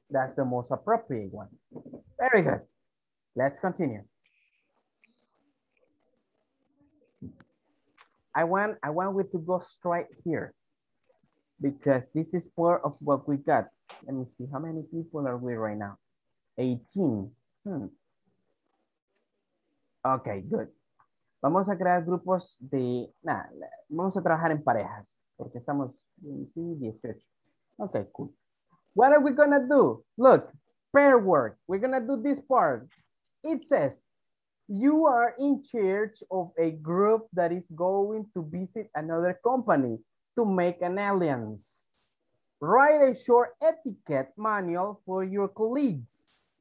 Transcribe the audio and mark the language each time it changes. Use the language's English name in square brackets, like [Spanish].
[English] That's the most appropriate one. Very good. Let's continue. I want you to go straight here because this is part of what we got. Let me see, how many people are we right now? 18. Okay, good. [Spanish] Vamos a crear grupos de, vamos a trabajar en parejas, porque estamos en 18. [English] Okay, cool. what are we gonna do? Look, pair work. We're gonna do this part. It says, you are in charge of a group that is going to visit another company to make an alliance. Write a short etiquette manual for your colleagues.